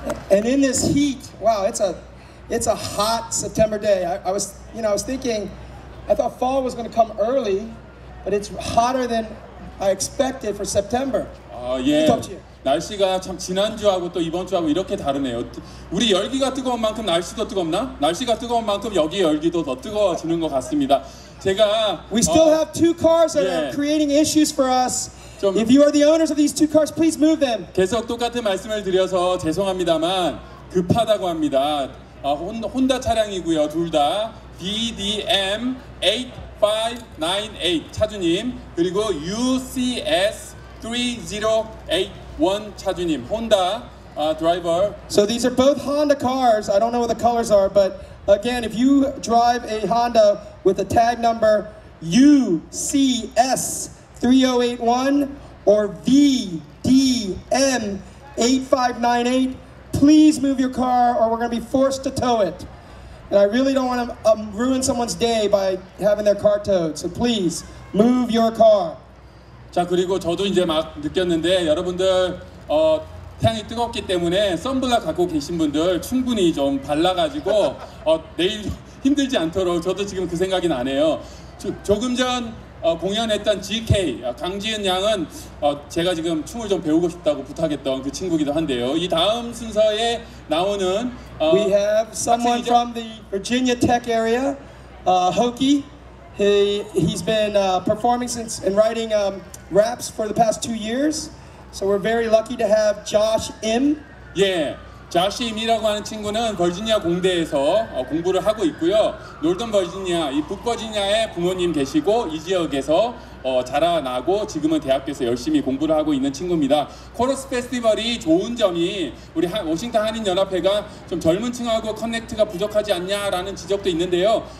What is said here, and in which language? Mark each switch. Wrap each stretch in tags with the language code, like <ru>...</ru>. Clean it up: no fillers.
<en>And in this heat, wow, it's a hot September day. I was thinking, I thought fall was going to come early, but it's hotter than I expected for September. 예.</en> <ko>날씨가 참 지난주하고 또 이번주하고 이렇게 다르네요. 우리 열기가 뜨거운 만큼 날씨도 뜨겁나? 날씨가 뜨거운 만큼 여기 열기도 더 뜨거워지는 것 같습니다. 제가</ko> <en>We still have two cars that</en> <ko>예.</ko> <en>are creating issues for us. If you are the owners of these two cars, please move them.</en> <ko>계속 똑같은 말씀을 드려서 죄송합니다만 급하다고 합니다. 혼다 차량이고요. 둘 다 BDM 8598 차주님 그리고 UCS 3081 차주님 혼다 드라이버.</ko> <en>So these are both Honda cars. I don't know what the colors are, but again, if you drive a Honda with a tag number UCS 3081 or VDM 8598, please move your car or we're going to be forced to tow it. And I really don't want to ruin someone's day by having their car towed. So please move your car.</en> <ko>자 그리고 저도 이제 막 느꼈는데 여러분들 태양이 뜨겁기 때문에 선블락 갖고 계신 분들 충분히 좀 발라가지고 내일 힘들지 않도록 저도 지금 그 생각이 나네요. 조금 전 공연했던 GK 강지은 양은 제가 지금 춤을 좀 배우고 싶다고 부탁했던 그 친구기도 한데요. 이 다음 순서에 나오는</ko> <en>We have someone from the Virginia Tech area, Hokey. He's been performing since and writing raps for the past 2 years. So we're very lucky to have Josh M. Yeah.</en> <ko>Josh M이라고 하는 친구는 버지니아 공대에서 공부를 하고 있고요. 놀던 버지니아, 이 북버지니아의 부모님 계시고 이 지역에서 자라나고 지금은 대학교에서 열심히 공부를 하고 있는 친구입니다. 코러스 페스티벌이 좋은 점이 우리 워싱턴 한인연합회가 좀 젊은 층하고 커넥트가 부족하지 않냐라는 지적도 있는데요.</ko>